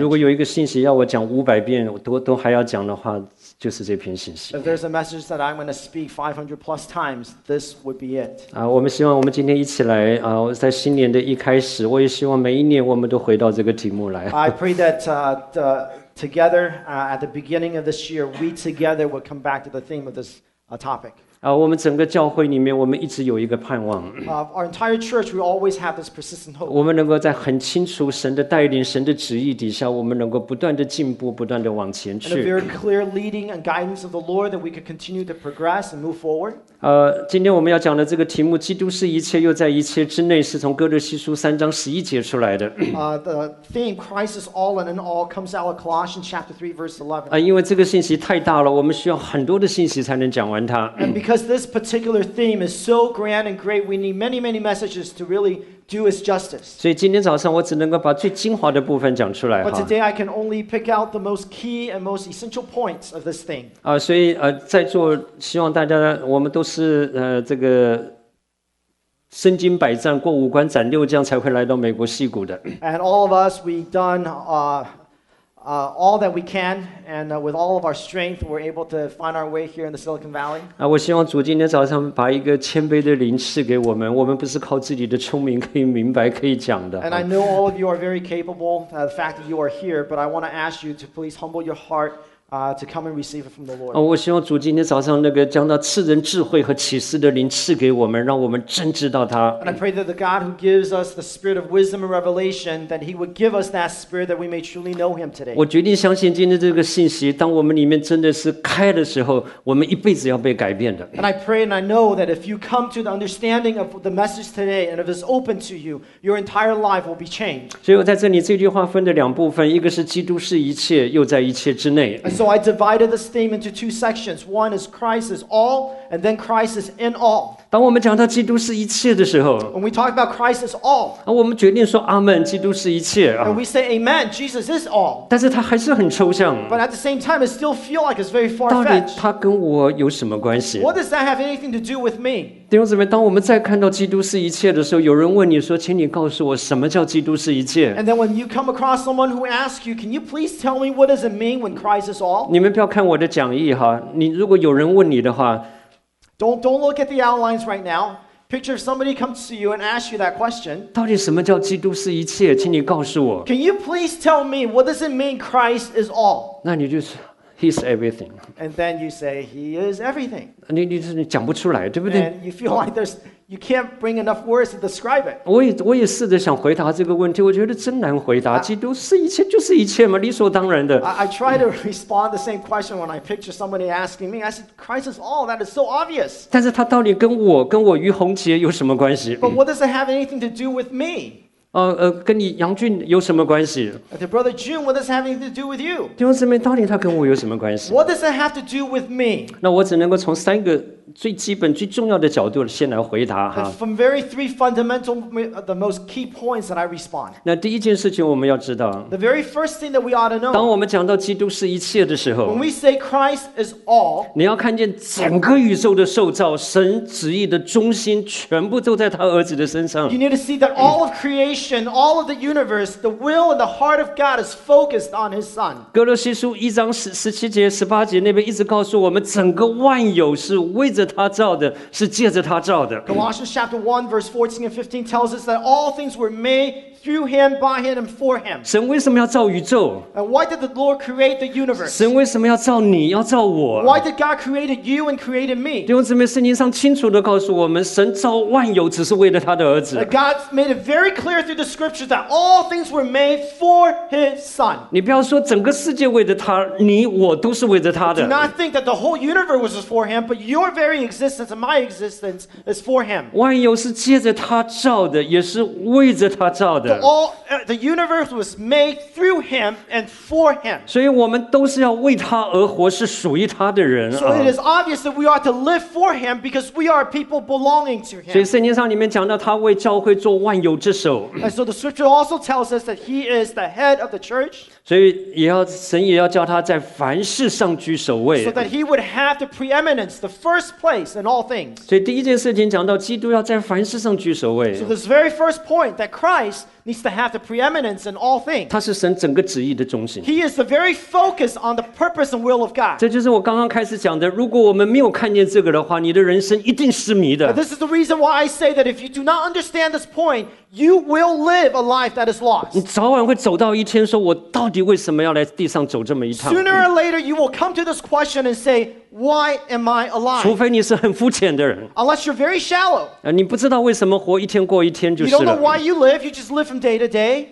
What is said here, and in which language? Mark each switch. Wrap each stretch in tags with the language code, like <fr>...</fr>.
<zh>如果有一个信息要我讲500遍都还要讲的话就是这篇信息。</zh> <en>If there's a message that I'm going to speak 500 plus times, this would be it.</en> <zh>我们希望我们今天一起来在新年的一开始我也希望每一年我们都回到这个题目来。</zh> <en>I pray that together, at the beginning of this year, we together will come back to the theme of this topic.</en> <zh>我们整个教会里面我们一直有一个盼望。</zh> <en>Our entire church, we always have this persistent hope.</en> <zh>我们能够在很清楚神的带领神的旨意底下我们能够不断的进步不断的往前去。</zh> <en>And a very clear leading and guidance of the Lord that we could continue to progress and move forward.</en> <zh>今天我们要讲的这个题目基督是一切又在一切之内是从哥罗西书3:11出来的。</zh> <en>The theme, Christ is all and in all, comes out of Colossians 3:11.</en> <zh>因为这个信息太大了我们需要很多的信息才能讲完它。</zh> <en>Because because this particular theme is so grand and great, we need many, many messages to really do its justice.</en> <zh>所以今天早上我只能够把最精华的部分讲出来。</zh> <en>But today I can only pick out the most key and most essential points of this theme.</en> <zh>所以在座希望大家我们都是这个身经百战过五关斩六将才会来到美国矽谷的。</zh> <en>And all of us, we've done all that we can, and with all of our strength, we're able to find our way here in the Silicon Valley.</en> <zh>我希望主今天早上把一个谦卑的灵赐给我们，我们不是靠自己的聪明可以明白可以讲的。</zh> <en>And I know all of you are very capable, the fact that you are here, but I want to ask you to please humble your heart, to come and receive it from the Lord.</en> <zh>我希望主今天早上那个将那赐人智慧和启示的灵赐给我们，让我们真知道他。</zh> <en>And I pray that the God who gives us the spirit of wisdom and revelation, that he would give us that spirit that we may truly know him today.</en> <zh>我决定相信今天这个信息，当我们里面真的是开的时候，我们一辈子要被改变的。</zh> <en>And I pray and I know that if you come to the understanding of the message today and if it's open to you, your entire life will be changed.</en> <zh>所以我在这里这句话分了两部分，一个是基督是一切，又在一切之内。</zh> <en>So I divided this theme into two sections. One is Christ is all, and then Christ is in all.</en> <zh>当我们讲到基督是一切的时候，</zh> <en>when we talk about Christ is all,</en> <zh>我们决定说阿们，基督是一切。</zh> <en>And we say Amen, Jesus is all.</en> <zh>但是他还是很抽象。</zh> <en>But at the same time, it still feels like it's very far-fetched.</en> <zh>到底他跟我有什么关系？</zh> <en>What does that have anything to do with me?</en> <zh>弟兄姊妹，当我们再看到基督是一切的时候，有人问你说，请你告诉我什么叫基督是一切？</zh> <en>And then when you come across someone who asks you, can you please tell me what does it mean when Christ is all?</en> <zh>你们不要看我的讲义哈，你如果有人问你的话。</zh> <en>Don't look at the outlines right now. Picture if somebody comes to you and asks you that question.</en> <zh>到底什么叫基督是一切？请你告诉我。</zh> <en>Can you please tell me what does it mean Christ is all?</en> <zh>那你就说</zh> <en>He's everything. And then you say He is everything.</en> <zh>你讲不出来，对不对？</zh> <en>And you feel like there's you can't bring enough words to describe it.</en> <zh>我也试着想回答这个问题，我觉得真难回答。基督是一切就是一切嘛，理所当然的。</zh> <en>I try to respond the same question when I picture somebody asking me. I said, Christ is all. That is so obvious.</en> <zh>但是他到底跟我于宏杰有什么关系？</zh> <en>But what does it have anything to do with me?</en> <zh>跟你杨俊有什么关系？</zh> <en>The brother June, what does it have anything to do with you?</en> <zh>弟兄姊妹，到底他跟我有什么关系？</zh> <en>What does it have to do with me?</en> <zh>那我只能够从三个最基本最重要的角度先来回答哈。</zh> <en>From very three fundamental, the most key points that I respond.</en> <zh>那第一件事情我们要知道。</zh> <en>The very first thing that we ought to know.</en> <zh>当我们讲到基督是一切的时候。</zh> <en>When we say Christ is all.</en> <zh>你要看见整个宇宙的受造，神旨意的中心全部都在他儿子的身上。</zh> <en>You need to see that all of creation, all of the universe, the will and the heart of God is focused on His Son.</en> <zh>哥罗西书一章17节、18节那边一直告诉我们，整个万有是为着他造的，是借着他造的。</zh> <en>Colossians chapter 1 verse 14 and 15 tells us that all things were made through him, by him, and for him.</en> <zh>神为什么要造宇宙？</zh> <en>And why did the Lord create the universe?</en> <zh>神为什么要造你，要造我？</zh> <en>Why did God create you and create me?</en> <zh>弟兄姊妹，圣经上清楚地告诉我们，神造万有只是为了他的儿子。</zh> <en>God made it very clear through the scriptures that all things were made for his son.</en> <zh>你不要说整个世界为着他，你我都是为着他的。</zh> <en>Do not think that the whole universe was for him, but your very existence and my existence is for him.</en> <zh>万有是借着他造的，也是为着他造的。</zh> <en>The universe was made through him and for him.</en> <zh>所以我们都是要为他而活，是属于他的人。</zh> <en>So it is obvious that we are to live for him because we are people belonging to him.</en> <zh>所以圣经上里面讲到他为教会做万有之首。</zh> <en>And so the scripture also tells us that he is the head of the church.</en> <zh>所以也要神也要叫他在凡事上居首位。</zh> <en>So that he would have the preeminence, the first place in all things.</en> <zh>所以第一件事情讲到基督要在凡事上居首位。</zh> <en>So this very first point that Christ needs to have the preeminence in all things.</en> <zh>他是神整个旨意的中心。</zh> <en>He is the very focus on the purpose and will of God.</en> <zh>这就是我刚刚开始讲的，如果我们没有看见这个的话，你的人生一定失迷的。</zh> <en>This is the reason why I say that if you do not understand this point, you will live a life that is lost.</en> <zh>你早晚会走到一天说，我到底为什么要来地上走这么一趟？</zh> <en>Sooner or later, you will come to this question and say, Why am I alive?</en> <zh>除非你是很肤浅的人。</zh> <en>Unless you're very shallow.</en> <zh>你不知道为什么活一天过一天就是了。</zh> <en>You don't know why you live, you just live from day to day.</en>